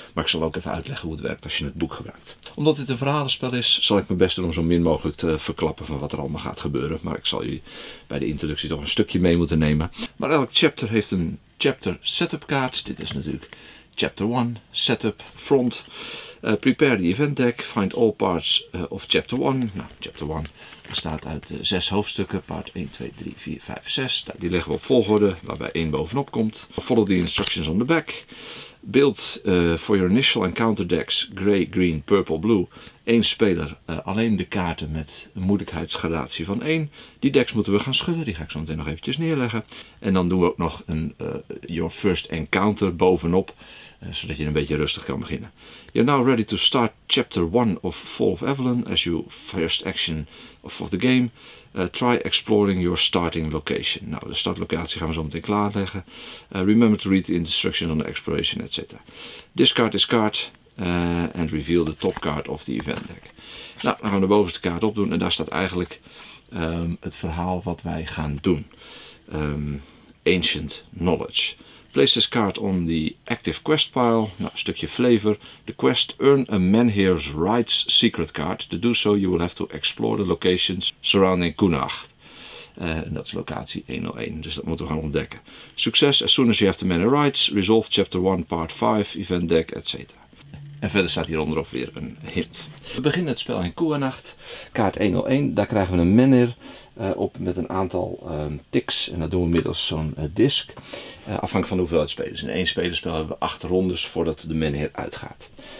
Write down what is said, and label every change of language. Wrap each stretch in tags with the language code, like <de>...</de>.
<nl>Maar ik zal ook even uitleggen hoe het werkt als je het boek gebruikt. Omdat dit een verhalenspel is, zal ik mijn best doen om zo min mogelijk te verklappen van wat er allemaal gaat gebeuren. Maar ik zal jullie bij de introductie toch een stukje mee moeten nemen. Maar elk chapter heeft een chapter setup kaart. Dit is natuurlijk chapter 1, setup, front.</nl> <en>Prepare the event deck, find all parts of chapter 1.</en> <nl>Nou, chapter 1 bestaat uit 6 hoofdstukken, part 1, 2, 3, 4, 5, 6. Nou, die leggen we op volgorde, waarbij 1 bovenop komt.</nl> <en>Follow the instructions on the back. Build for your initial encounter decks, grey, green, purple, blue.</en> <nl>1 speler, alleen de kaarten met een moeilijkheidsgradatie van 1. Die decks moeten we gaan schudden, die ga ik zo meteen nog eventjes neerleggen. En dan doen we ook nog een</nl> <en>your first encounter</en> <nl>bovenop, zodat je een beetje rustig kan beginnen.</nl> <en>You're now ready to start chapter 1 of Fall of Avalon as your first action of the game. Try exploring your starting location.</en> <nl>Nou, de startlocatie gaan we zo meteen klaarleggen.</nl> <en>Remember to read the instructions on the exploration, etc. Discard this card and reveal the top card of the event deck.</en> <nl>Nou, dan gaan we de bovenste kaart opdoen en daar staat eigenlijk het verhaal wat wij gaan doen.</nl> <en>Ancient Knowledge. Place this card on the active quest pile.</en> <nl>Nou, een stukje flavor.</nl> <en>The quest, earn a menhir's rights secret card. To do so, you will have to explore the locations surrounding Kunach.</en> <nl>En dat is locatie 101, dus dat moeten we gaan ontdekken.</nl> <en>Success, as soon as you have the menhir rights, resolve chapter 1, part 5, event deck, etc.</en> <nl>En verder staat hieronder ook weer een hint. We beginnen het spel in Kunach. Kaart 101, daar krijgen we een menhir op met een aantal ticks. En dat doen we middels zo'n disc. Afhankelijk van de hoeveelheid spelers. In één spelerspel hebben we 8 rondes voordat de menheer uitgaat.</nl>